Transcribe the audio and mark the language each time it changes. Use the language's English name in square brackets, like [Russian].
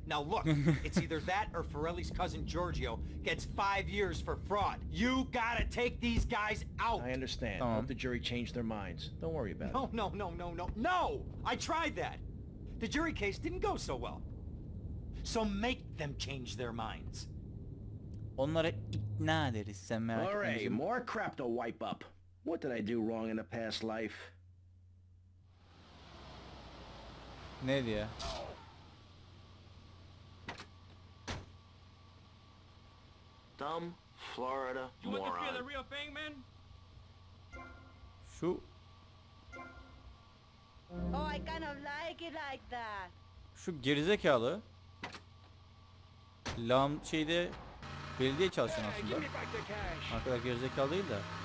[English] Now look, it's either that or Farelli's cousin Giorgio gets 5 years for fraud. You gotta take these guys out. I understand. Uh-huh. Hope the jury changed their minds. Don't worry about it. No! I tried that. The jury case didn't go so well. So make them change their minds. [Turkish] Onlara ikna ederiz sen merak etme. [English] Alright, more crap to wipe up. What did I do wrong in a past life? [Turkish] Ne diye? [English] Dumb Florida you moron. You want to feel the real thing, man? [Turkish] Şu. [English] Oh, I kind of like it like that. [Turkish] Şu gerizekalı. Lam şeyde belediye çalışan aslında. Arkadaş gerizekalı değil de.